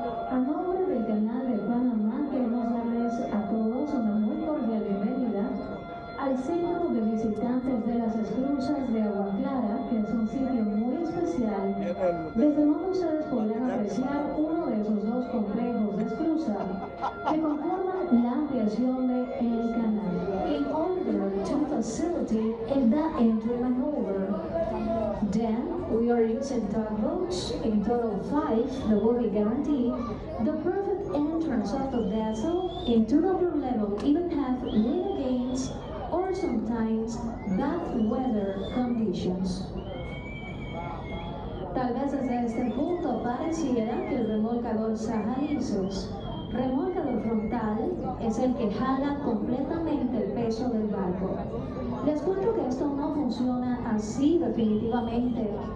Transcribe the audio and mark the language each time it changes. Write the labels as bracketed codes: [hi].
[es] A nombre del canal de Panamá, queremos darles a todos una muy cordial bienvenida al centro de visitantes de las esclusas de Agua Clara, que es un sitio muy especial. Desde donde ustedes podrán apreciar uno de esos dos complejos de esclusa que conforman la ampliación de el canal. [en] In order to facilitate the entry maneuver, then we are using tugboats in total five that will guarantee the perfect entrance of the vessel into the blue level, even have wind gains or sometimes bad weather conditions. [es] Tal vez desde este punto pareciera que el remolcador Sahalizos, remolcador frontal, es el que jala completamente el peso del barco. Les cuento que esto no funciona así definitivamente.